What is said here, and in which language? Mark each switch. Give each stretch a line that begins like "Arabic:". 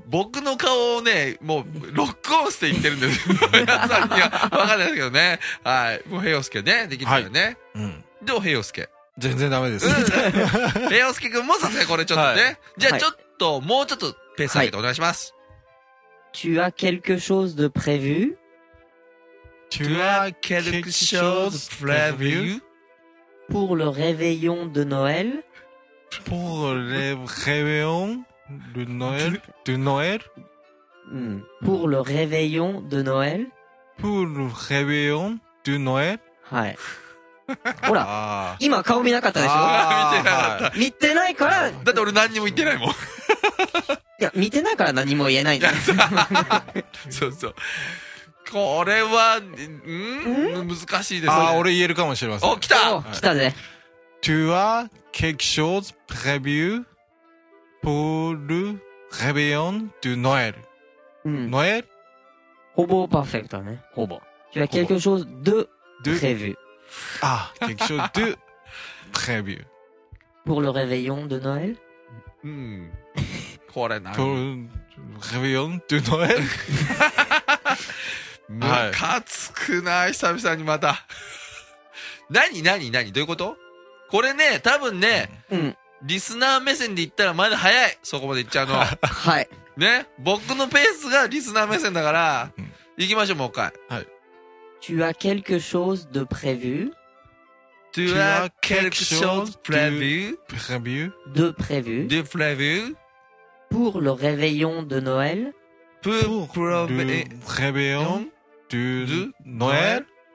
Japanese: 僕の顔をね、もう、ロックオンして言ってるんですよ。皆さんには分かんないですけどね。はい。もう、ヘヨスケね、できるよね、はい。うん。でも、ヘヨスケ。全然ダメです。うん、ヘヨスケくんもさすがにこれちょっとね。はい、じゃあ、ちょっと、はい、もうちょっとペース上げてお願いします。
French: Tu as quelque chose de prévu? Tu as quelque chose de prévu? Pour le réveillon de Noël? Pour le réveillon? Le Noël, de Noël? Pour le réveillon de Noël? Pour le réveillon de Noël?
Japanese: はい。ほら、今顔見なかったでしょ？見てなかった。見てないから。だって俺何にも言ってないもん。いや、見てないから何も言えないんだ。そうそう。これは、難しいですね。ああ、俺言えるかもしれません。お、来た！来たぜ。
French: Tu as quelque chose prévu? Pour le réveillon de Noël. Noël? Hobo parfait, hein? Hobo. Tu as quelque chose de prévu. Ah, quelque chose de prévu. Pour le réveillon de Noël?
Japanese: これな。
French: Pour le réveillon de Noël?
Japanese: むかつくな、久々にまた。何？どういうこと？これね、多分ね。リスナー目線で言ったらまだ早い。そこまで言っちゃうのは。はい。ね。僕のペースがリスナー目線だから、行きましょう、もう一回。はい。
French: Tu as quelque chose de prévu? Tu as quelque chose de prévu? Prévu? De prévu? De prévu? Pour le réveillon de Noël? Pour le réveillon de Noël?